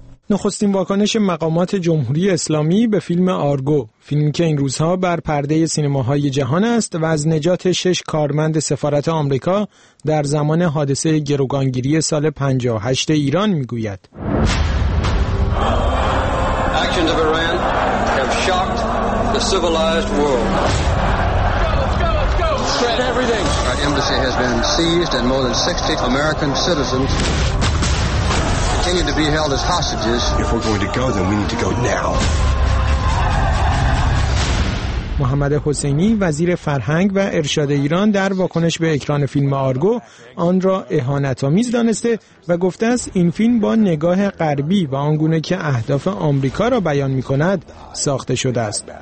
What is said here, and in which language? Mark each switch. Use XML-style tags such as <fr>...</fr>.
<fa>نخستین واکنش مقامات جمهوری اسلامی به فیلم آرگو، فیلمی که این روزها بر پرده سینماهای جهان است و از نجات 6 کارمند سفارت آمریکا در زمان حادثه گروگانگیری سال 58 ایران میگوید.</fa> <en>Actions of Iran have shocked the civilized world. Spread everything. Our embassy has been seized and more than 60 American citizens continue to be held as hostages. If we're going to go, then we need to go now.</en> <fa>محمد حسینی وزیر فرهنگ و ارشاد ایران در واکنش به اکران فیلم آرگو آن را اهانت‌آمیز دانسته و گفته است این فیلم با نگاه غربی و آنگونه که اهداف آمریکا را بیان می‌کند ساخته شده است.</fa>